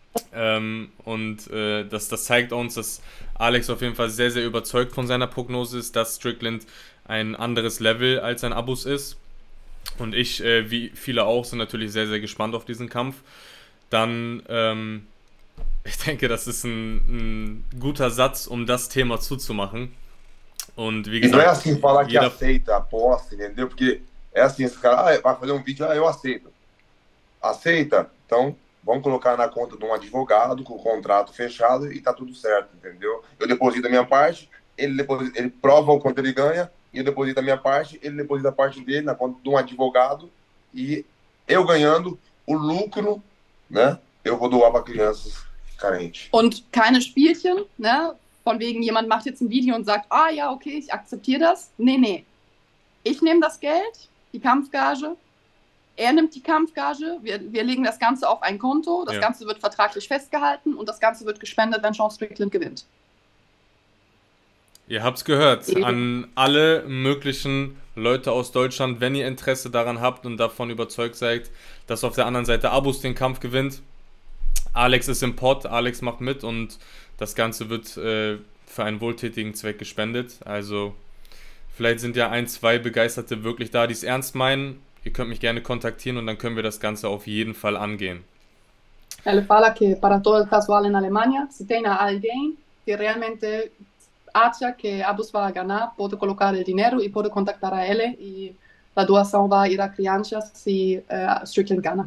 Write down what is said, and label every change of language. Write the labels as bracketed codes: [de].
[de] Das zeigt uns, dass Alex auf jeden Fall sehr, sehr überzeugt von seiner Prognose ist, dass Strickland ein anderes Level als ein Abus ist. Und ich, wie viele auch, sind natürlich sehr, sehr gespannt auf diesen Kampf. Dann, ich denke, das ist ein guter Satz, um das Thema zuzumachen. Und wie gesagt, [pt] e não é assim falar que aceita a posse, entendeu? Porque é assim, esse cara vai fazer vídeo, eu aceito. Aceita? Então, vamos colocar na conta de advogado com o contrato fechado e tá tudo certo, entendeu? Eu deposito a minha parte, ele prova o quanto ele ganha, e eu deposito a minha parte, ele deposita a parte dele na conta de advogado, e eu ganhando o lucro, né? Eu vou doar para crianças carentes. [de] Und keine Spielchen, né? Von wegen, jemand macht jetzt ein Video und sagt, ah ja, okay, ich akzeptiere das. Nee, nee. Ich nehme das Geld, die Kampfgage. Er nimmt die Kampfgage. Wir legen das Ganze auf ein Konto. Das Ganze wird vertraglich festgehalten und das Ganze wird gespendet, wenn Sean Strickland gewinnt. Ihr habt's gehört. Eben. An alle möglichen Leute aus Deutschland, wenn ihr Interesse daran habt und davon überzeugt seid, dass auf der anderen Seite Abus den Kampf gewinnt. Alex ist im Pott, Alex macht mit und das Ganze wird für einen wohltätigen Zweck gespendet. Also vielleicht sind ja ein, zwei Begeisterte wirklich da, die es ernst meinen. Ihr könnt mich gerne kontaktieren und dann können wir das Ganze auf jeden Fall angehen. [es] Er fala que para todo el casual en Alemania, si tiene alguien que realmente acha que Abus va a ganar, puede colocar el dinero y puede contactar a él y la doación va a ir a crianças si Strickland gana.